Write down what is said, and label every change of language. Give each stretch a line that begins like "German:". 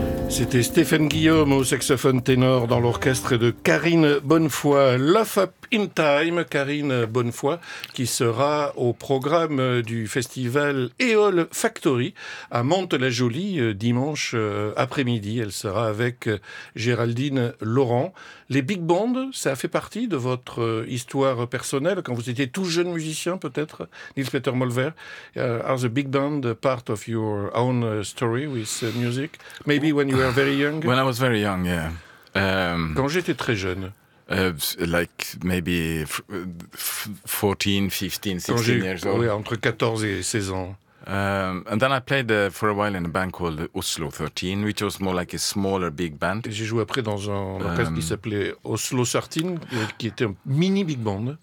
French: C'était Stéphane Guillaume au saxophone ténor dans l'orchestre de Karine Bonnefoy, Love Up in Time, Karine Bonnefoy, qui sera au programme du festival Eol Factory à Mantes-la-Jolie dimanche après-midi. Elle sera avec Géraldine Laurent. Les big bands, ça a fait partie de votre histoire personnelle quand vous étiez tout jeune musicien, peut-être, Nils-Peter Molvær.
English: Are the big band part of your own story with music? Maybe when you were very young? When I was very young, yeah.
French: Quand j'étais très jeune.
English: Like maybe 14, 15, 16 years old.
French: Oui, entre 14 et 16 ans.
English: And then I played for a while in a band called Oslo 13, which was more like a smaller big band.
French: Et j'ai joué après dans un orchestre qui s'appelait Oslo 13, qui était un mini big band.